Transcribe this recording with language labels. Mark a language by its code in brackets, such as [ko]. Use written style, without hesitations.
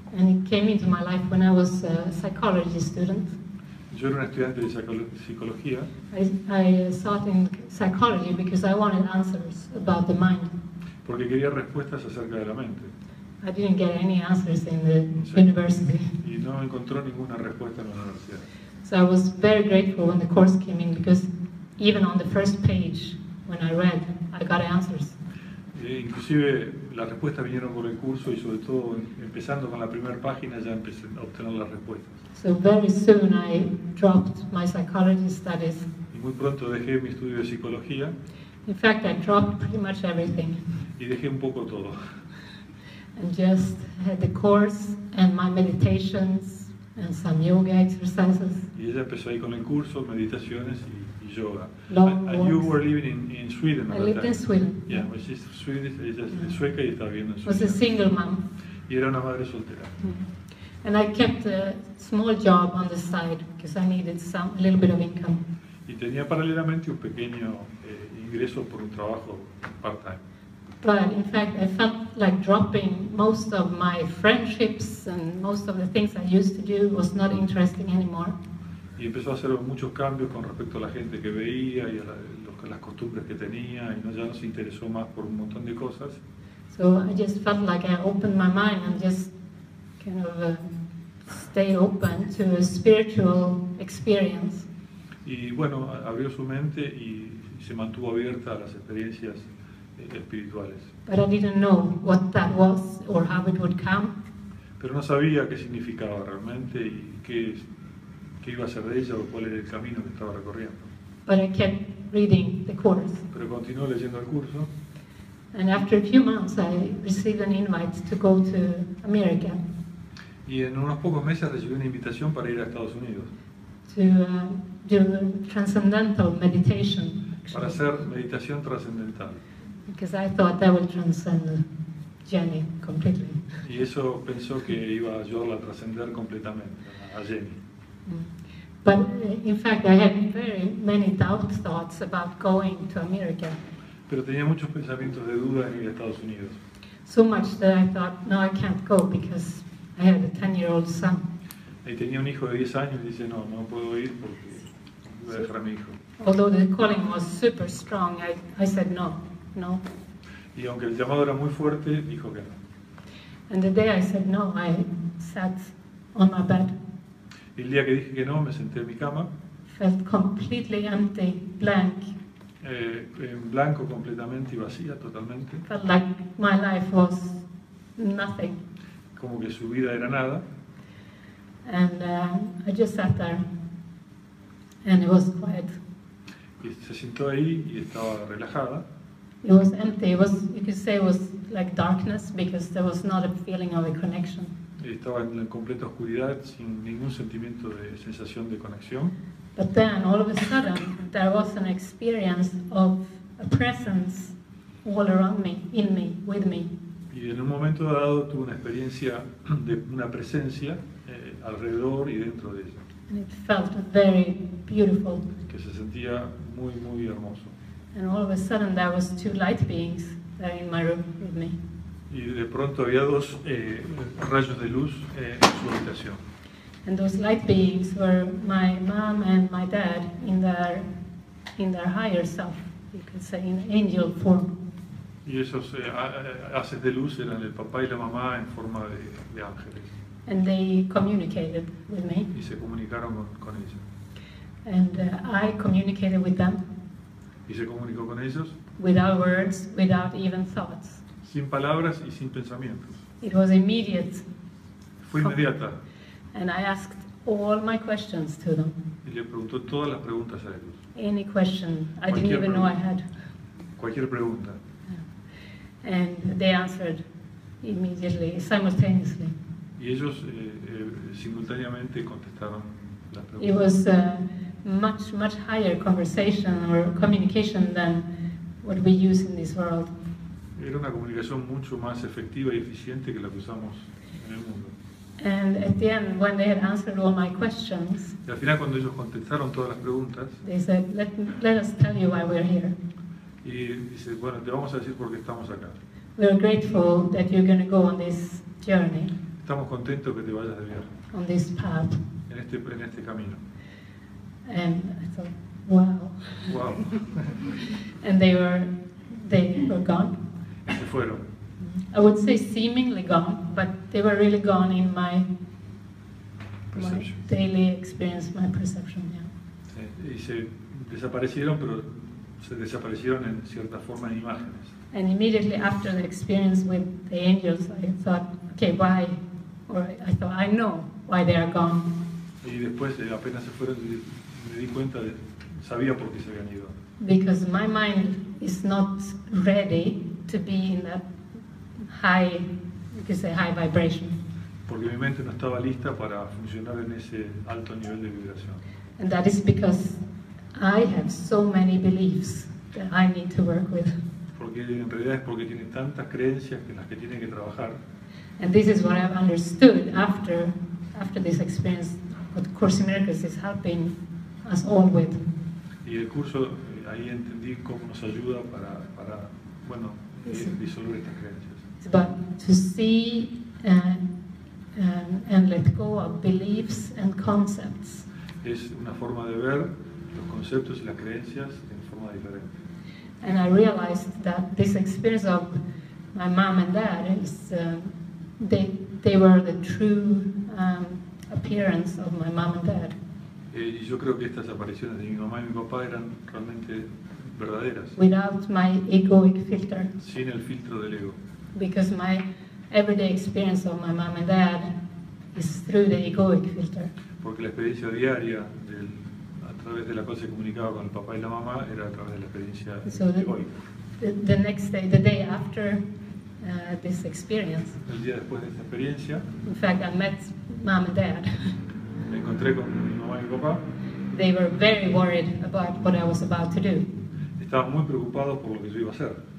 [en] And it came into my life when I was a psychology student. [es] Yo era un estudiante de psicología. [en] I sought in psychology because I wanted answers about the mind. [es] Porque quería respuestas acerca de la mente. [en] I didn't get any answers in the university. [es] Y no encontró ninguna respuesta en la universidad. [en] So I was very grateful when the course came in because even on the first page when I read, I got answers. [es] Inclusive las respuestas vinieron por el curso y sobre todo empezando con la primera página ya empecé a obtener las respuestas. [en] So very soon I dropped my psychology studies. [es] Y muy pronto dejé mi estudio de psicología. [en] In fact, I dropped pretty much everything. [es] Y dejé un poco todo. [en] And just had the course and my meditations and some yoga exercises. [es] Y ella empezó ahí con el curso, meditaciones y yoga. [en] And you were living in Sweden at I lived time. In Sweden. Yeah, well, she's Swedish, yeah. [es] Es sueca y está viviendo en Suecia. [en] Was a single mom. [es] Y era una madre soltera. Mm. [en] And I kept a small job on the side because I needed some a little bit of income. [es] Y tenía paralelamente un pequeño ingreso por un trabajo part-time. [en] But in fact, I felt like dropping most of my friendships and most of the things I used to do was not interesting anymore. [es] Y empezó a hacer muchos cambios con respecto a la gente que veía y a las costumbres que tenía y ya no se interesó más por un montón de cosas. [en] So I just felt like I opened my mind and just kind of stayed open to a spiritual experience. [es] Y bueno, abrió su mente y se mantuvo abierta a las experiencias espirituales. [en] But I didn't know what that was or how it would come. [es] Pero no sabía qué significaba realmente y qué iba a ser de ella o cuál era el camino que estaba recorriendo. [en] But I kept reading the course. [es] Pero continuó leyendo el curso. [en] And after a few months I received an invite to go to America. [es] Y en unos pocos meses recibí una invitación para ir a Estados Unidos. [en] To do transcendental meditation. Actually. [es] Para hacer meditación trascendental. [en] Because I thought that would transcend Jenny completely. [es] Y eso pensó que iba a ayudarla a trascender completamente a Jenny. [en] But in fact, I had very many doubt thoughts about going to America. [es] Pero tenía muchos pensamientos de duda en ir a Estados Unidos. [en] So much that I thought, no, I can't go because I had a 10-year-old son. [es] Y tenía un hijo de 10 años y dice, no puedo ir porque voy a dejar a mi hijo. [en] Although the calling was super strong, I said no. [es] Y aunque el llamado era muy fuerte, dijo que no. [en] And the day I said no, I sat on my bed. [es] Y el día que dije que no, me senté en mi cama. [en] Felt completely empty, blank. [es] En blanco completamente y vacía totalmente. [en] Felt like my life was nothing. [es] Como que su vida era nada. [en] And I just sat there. And it was quiet. [es] Y se sentó ahí y estaba relajada. [en] It was empty. It was, you could say it was like darkness because there was not a feeling of a connection. [es] Estaba en la completa oscuridad sin ningún sentimiento de sensación de conexión. [en] But then, all of a sudden, there was an experience of a presence all around me, in me, with me. [es] Y en un momento dado tuve una experiencia de una presencia alrededor y dentro de ella. [en] And it felt very beautiful. [es] Que se sentía muy, muy hermoso. [en] And all of a sudden, there was two light beings there in my room with me. [es] Y de pronto había dos rayos de luz en su habitación. [en] And those light beings were my mom and my dad in their higher self, you could say, in angel form. [es] Y esos haces de luz eran el papá y la mamá en forma de ángeles. [en] And they communicated with me. [es] Y se comunicaron con ella. [en] And I communicated with them. [es] Y se comunicó con ellos. [en] Without words, without even thoughts. [es] Sin palabras y sin pensamientos. [en] It was immediate. [es] Fue inmediata. [en] And I asked all my questions to them. [es] Y le preguntó todas las preguntas a ellos. [en] Any question. I didn't even know I had. [es] Cualquier pregunta. [en] And they answered immediately, simultaneously. [es] Y ellos simultáneamente contestaron las preguntas. [en] It was a much, much higher conversation or communication than what we use in this world. [es] Era una comunicación mucho más efectiva y eficiente que la que usamos en el mundo. [en] And at the end, when they had answered all my questions, [es] y al final cuando ellos contestaron todas las preguntas, [en] they said, let us tell you why we're here. [es] Y dice, bueno, te vamos a decir por qué estamos acá. [en] We are grateful that you're going to go on this journey. [es] Estamos contentos que te vayas de viaje. [en] On this path. [es] En este camino. [en] And I thought, wow. Wow. And they were gone. [es] Se fueron. [en] I would say seemingly gone, but they were really gone in my daily experience, my perception. Yeah. [es] Y se desaparecieron, pero se desaparecieron en cierta forma en imágenes. [en] And immediately after the experience with the angels, I thought, okay, why? Or I thought, I know why they are gone. [es] Y después, apenas se fueron, me di cuenta de, sabía por qué se habían ido. [en] Because my mind is not ready to be in that high, you could say, high vibration. [es] Porque mi mente no estaba lista para funcionar en ese alto nivel de vibración. [en] And that is because I have so many beliefs that I need to work with. [es] Porque en realidad es porque tiene tantas creencias en las que tiene que trabajar. [en] And this is what I've understood after this experience, what the Course in Miracles is helping us all with. [es] Y el curso, ahí entendí cómo nos ayuda para bueno, disolver estas creencias. [en] It's about to see and let go of beliefs and concepts. [es] Es una forma de ver los conceptos y las creencias en forma diferente. [en] And I realized that this experience of my mom and dad is they were the true appearance of my mom and dad. [es] Y yo creo que estas apariciones de mi mamá y mi papá eran realmente verdaderas. [en] Without my egoic filter. [es] Sin el filtro del ego. [en] Because my everyday experience of my mom and dad is through the egoic filter. [es] Porque la experiencia diaria del a través de la cosa que comunicaba con el papá y la mamá era a través de la experiencia [en] The next day, the day after this experience. [es] El día después de esta experiencia. [en] In fact, I met mom and dad. [es] Me encontré con mi mamá y mi papá. [en] They were very worried about what I was about to do. [es] Estaban muy preocupados por lo que yo iba a hacer.